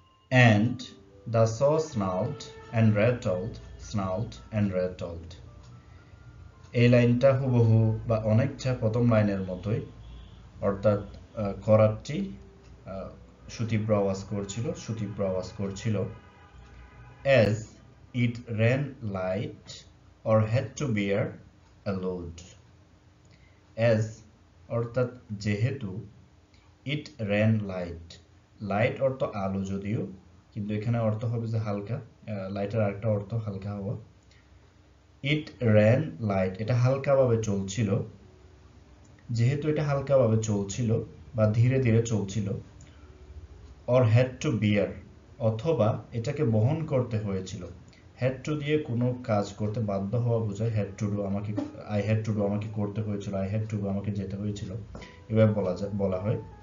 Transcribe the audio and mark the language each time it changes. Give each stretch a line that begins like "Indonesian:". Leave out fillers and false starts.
English: And the saw snarled and rattled, snarled and rattled.
Bangla: এই লাইনটা হুবহু বা অনেকটা প্রথম লাইনের মতোই, অর্থাৎ করাতটি সুতীব্র আওয়াজ করছিল, সুতীব্র আওয়াজ করছিল।
English: As it ran light or had to bear a load.
Bangla: As অর্থাৎ যেহেতু,
English: it ran light,
Bangla: light অর্থ আলো যদিও, কিন্তু এখানে অর্থ হবে যে হালকা, লাইটের আরেকটা অর্থ হালকা হওয়া।
English: it ran light,
Bangla: এটা হালকাভাবে চলছিল, যেহেতু এটা হালকাভাবে চলছিল বা ধীরে ধীরে চলছিল,
English: or had to bear,
Bangla: অথবা এটাকে বহন করতে হয়েছিল, হ্যাড টু দিয়ে কোনো কাজ করতে বাধ্য হওয়া বোঝায়, হ্যাড টু ডু আমাকে,
English: I had to do
Bangla: আমাকে করতে হয়েছিল, আই হ্যাড টু ডু আমাকে যেতে হয়েছিল, এভাবে বলা যায়, বলা হয়।